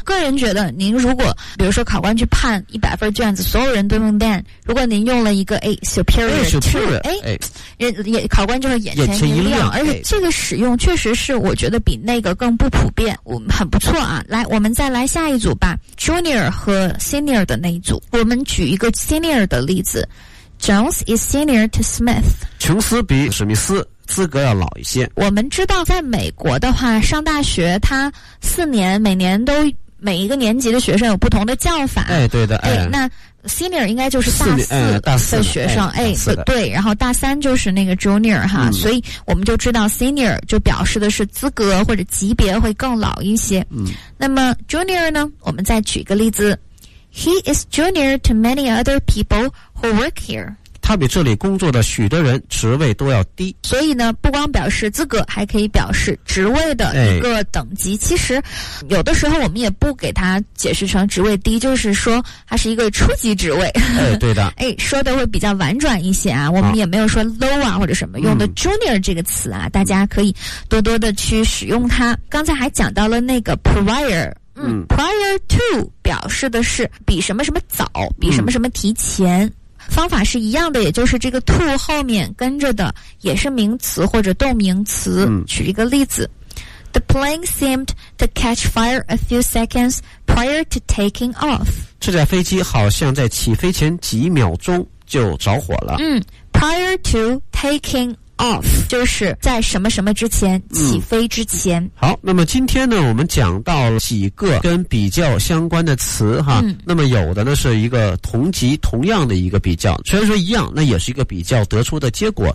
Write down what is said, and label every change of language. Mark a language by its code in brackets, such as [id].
[zh] 个人觉得，您如果比如说考官去判100分卷子，所有人都用 than， 如果您用了一个superior， 也考官就是眼前一亮。而且这个使用确实是我觉得比那个更不普遍，我们很不错啊。来，我们再来下一组吧 ，junior 和 senior 的那一组，我们举一个 senior 的例子。 [en] Jones is senior to Smith. [zh] 琼斯比史密斯资格要老一些。我们知道在美国的话，上大学他四年，每年都每一个年级的学生有不同的叫法。哎，对的。哎，那 senior 应该就是大四的学生。哎，对，然后大三就是那个 junior 哈，所以我们就知道 senior 就表示的是资格或者级别会更老一些。嗯，那么 junior 呢，我们再举个例子。 [en] He is junior to many other people who work here. [zh] 他比这里工作的许多人职位都要低。所以呢，不光表示资格，还可以表示职位的一个等级。哎，其实有的时候我们也不给他解释成职位低，就是说他是一个初级职位。哎，对的。哎，说的会比较婉转一些啊。我们也没有说 low 啊或者什么，用的 junior 这个词啊，大家可以多多的去使用它。刚才还讲到了那个 prior。prior to 表示的是比什么什么早，比什么什么提前。方法是一样的，也就是这个 to 后面跟着的也是名词或者动名词。举一个例子。 [en] The plane seemed to catch fire a few seconds prior to taking off. [zh] 这架飞机好像在起飞前几秒钟就着火了。 [en] prior to taking off [zh] 就是在什么什么之前，起飞之前。好，那么今天呢我们讲到了几个跟比较相关的词哈。那么有的呢是一个同级同样的一个比较，虽然说一样，那也是一个比较得出的结果。